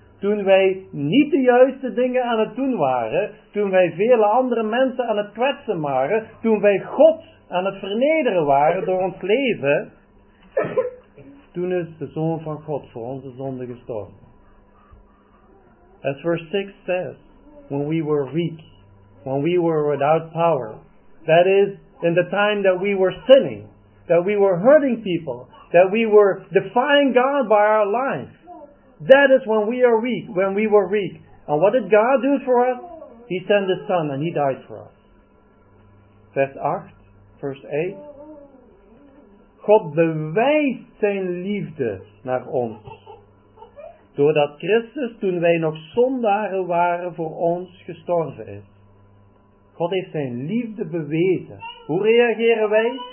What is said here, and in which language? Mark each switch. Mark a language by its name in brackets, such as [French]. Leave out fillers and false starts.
[Dutch] toen wij niet de juiste dingen aan het doen waren, toen wij vele andere mensen aan het kwetsen waren, toen wij God aan het vernederen waren door ons leven, toen is de Zoon van God voor onze zonde gestorven. [English] As verse 6 says, when we were weak, when we were without power, that is, in the time that we were sinning, that we were hurting people, that we were defying God by our life. That is when we are weak, when we were weak. And what did God do for us? He sent His Son and He died for us. [Dutch] Vers 8, verse 8. God bewijst zijn liefde naar ons. Doordat Christus, toen wij nog zondaren waren, voor ons gestorven is. God heeft zijn liefde bewezen. Hoe reageren wij?